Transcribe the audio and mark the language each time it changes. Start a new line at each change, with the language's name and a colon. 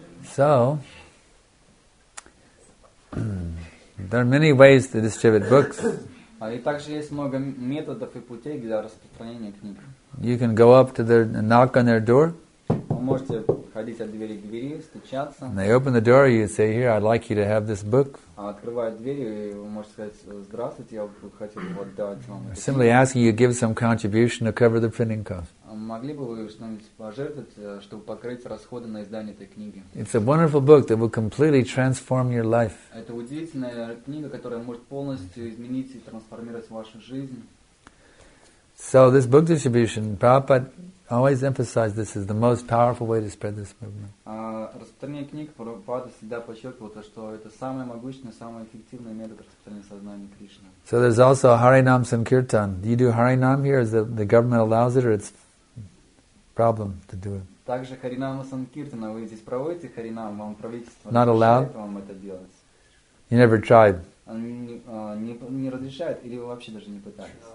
English: So, there are many ways to distribute books.
Russian: И также есть много методов и путей для распространения книг.
English: You can go up to their, knock on their door.
Russian: Можете ходить от двери к двери, стучаться.
English: And they open the door, you say, here, I'd like you to have this book.
Russian: Открывают двери, и вы можете сказать, здравствуйте, я бы хотел бы отдать вам.
English: Simply asking you to give some contribution to cover the printing cost.
Russian: Могли бы вы что-нибудь пожертвовать, чтобы покрыть расходы на издание этой книги?
English: It's a wonderful book that will completely transform your life.
Russian: Это удивительная книга, которая может полностью изменить и трансформировать вашу жизнь.
English: So this book distribution, Prabhupada always emphasized this is the most powerful way to spread this movement.
Russian: Распространение книг Прабхупада всегда подчеркивало, что это самый могущественный, самый эффективный метод распространения сознания Кришны.
English: So there's also Harinam Sankirtan. Do you do Harinam here? Is the government allows it or it's problem to do it?
Russian: Также Харинам Санкиртана. Вы здесь проводите Харинам, вам правительство
English: not allowed?
Russian: Вам это делать?
English: You never tried.
Russian: Не разрешают или вы вообще даже не пытались?